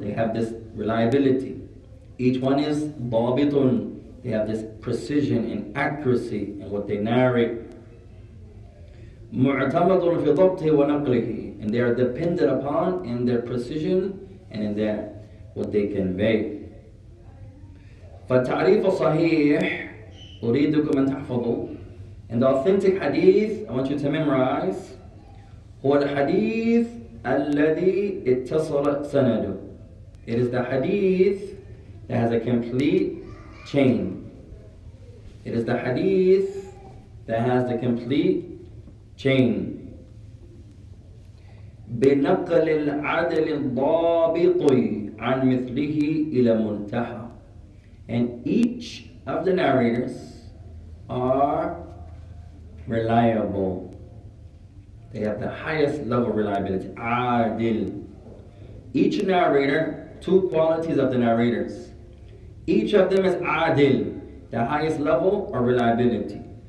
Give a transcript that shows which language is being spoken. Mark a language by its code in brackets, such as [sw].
[en] They have this reliability. Each one is babitun. They have this precision and accuracy in what they narrate. [ar] مُعْتَمَدٌ فِي ضَبْطِهِ وَنَقْلِهِ [en] and they are dependent upon in their precision and in their what they convey. [ar] فَالتَعْرِيفُ صَحِيحُ أُرِيدُكُمْ أَنْ تَحْفَظُوا [en] and the authentic hadith, I want you to memorize, [ar] هو الحديث الذي اتصل سنده. [en] It is the hadith that has a complete chain. It is the hadith that has the complete chain. [ar] بنقل العدل الضابط عن مثله إلى منتهى. [en] And each of the narrators are reliable. They have the highest level of reliability. [ar] عادل. [en] Each narrator, two qualities of the narrators. Each of them is adil, the highest level of reliability.